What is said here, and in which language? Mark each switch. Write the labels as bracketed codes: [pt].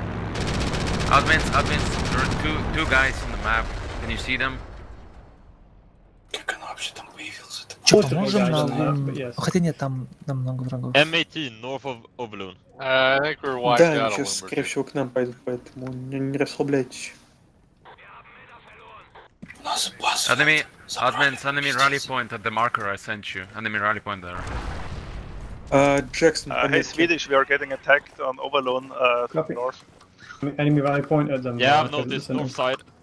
[en] Admins, there are two guys in the map. Can you see them? [ru] Как она вообще там появилась? Че, поможем на... [en] Yes. [ru] Хотя нет, там намного врагов. [en] M18, north of Oblun. [ru] Да, они сейчас, скорее всего, к нам пойдут, поэтому не расслабляйтесь. У нас бас. [en] Enemy, admins, enemy rally point at the marker I sent you. Enemy rally point there. [ru] Джексон, [en] Hey, Swedish, we are getting attacked on Oblun, north. Enemy rally point at the marker. Yeah, I've noticed north side.